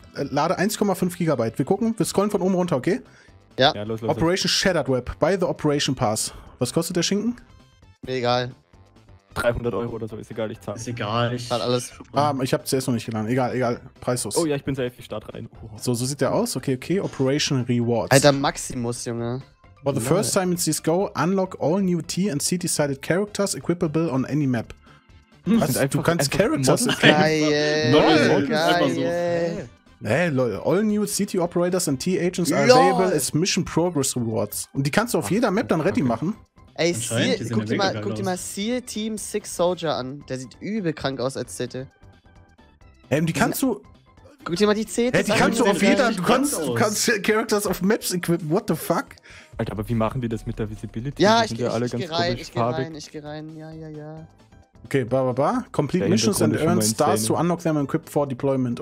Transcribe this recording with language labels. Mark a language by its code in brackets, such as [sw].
[de] Lade 1,5 GB. Wir gucken, wir scrollen von oben runter, okay? Ja. Los. Operation Shattered Web, by the Operation Pass. Was kostet der Schinken? Mir egal. 300 Euro oder so, ist egal, ich zahle. Ist egal, ich zahle alles. Ich habe zuerst noch nicht geladen. Egal, preislos. Oh ja, ich bin safe, ich starte rein. So sieht der aus, okay. Operation Rewards. Alter Maximus, Junge. [en] For the first time in CSGO, unlock all new T and C decided characters equipable on any map. [de] Du kannst Characters geil. Hey Leute, [en] all new City Operators and T-Agents are available as Mission Progress Rewards. [de] Und die kannst du auf jeder Map dann ready machen. Ey, guck dir mal Seal Team Six Soldier an. Der sieht übel krank aus als Zette. Ey, und die kannst du... Guck dir mal die Zette. Ey, die kannst du auf jeder... Du kannst Characters auf Maps equipen. [en] What the fuck? [de] Alter, aber wie machen die das mit der Visibility? Ja, ich geh rein. Ja. [en] Okay, Complete Missions and earn stars to unlock them and equip for deployment.